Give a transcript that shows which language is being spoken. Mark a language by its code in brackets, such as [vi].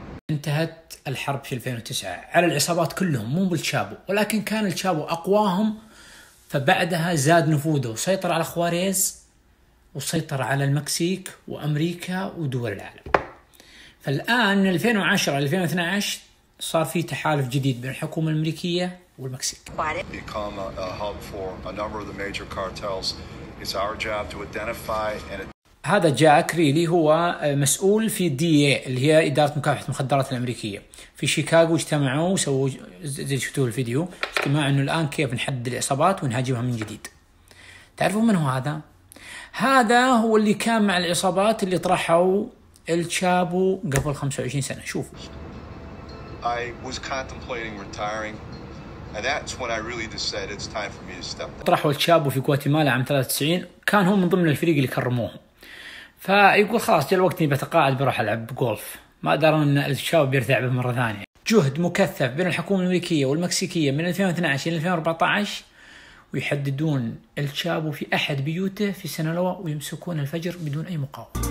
[ar] انتهت الحرب في 2009 على العصابات كلهم مو بالتشابو، ولكن كان التشابو أقواهم، فبعدها زاد نفوذه وسيطر على خواريز وسيطر على المكسيك وأمريكا ودول العالم. فالآن من 2010 إلى 2012 صار في تحالف جديد بين الحكومة الأمريكية والمكسيك. [en] become a hub for a number of the major cartels. It's our job to identify and [ar] هذا جاك ريلي هو مسؤول في دي اي اللي هي اداره مكافحه المخدرات الامريكيه في شيكاغو. اجتمعوا وسووا زي شفتوه الفيديو اجتماع انه الان كيف نحدد العصابات ونهاجمها من جديد. تعرفوا من هو هذا؟ هذا هو اللي كان مع العصابات اللي طرحوا التشابو قبل 25 سنه. شوفوا. [en] I was contemplating retiring and that's when I really decided it's time for me to step down. [ar] طرحوا التشابو في غواتيمالا عام 93، كان هو من ضمن الفريق اللي كرموه. فيقول خلاص جاء الوقت اني بتقاعد بروح العب جولف، ما ادرى ان الشباب بيرتعب مره ثانيه. جهد مكثف بين الحكومه الامريكيه والمكسيكيه من 2012 الى 2014 ويحددون التشابو في احد بيوته في سينالوا ويمسكون الفجر بدون اي مقاومه.